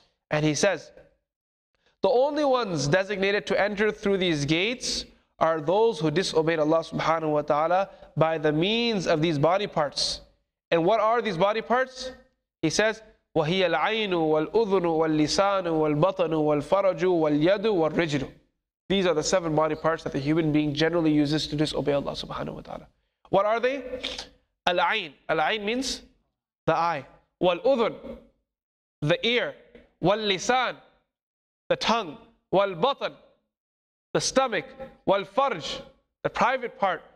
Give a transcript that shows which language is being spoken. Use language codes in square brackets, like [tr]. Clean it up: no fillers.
[en] And he says, the only ones designated to enter through these gates are those who disobeyed Allah subhanahu wa ta'ala by the means of these body parts. And what are these body parts? He says, [ar] وَهِيَ الْعَيْنُ وَالْأُذُنُ وَالْلِسَانُ وَالْبَطَنُ وَالْفَرَجُ وَالْيَدُ وَالرِّجْلُ. [en] These are the seven body parts that the human being generally uses to disobey Allah subhanahu wa ta'ala. What are they? Al-ayn. Al-ayn means the eye. Wal-udhun, the ear. Wal-lisan, the tongue. Wal-batan, the stomach. Wal-farj, the private part.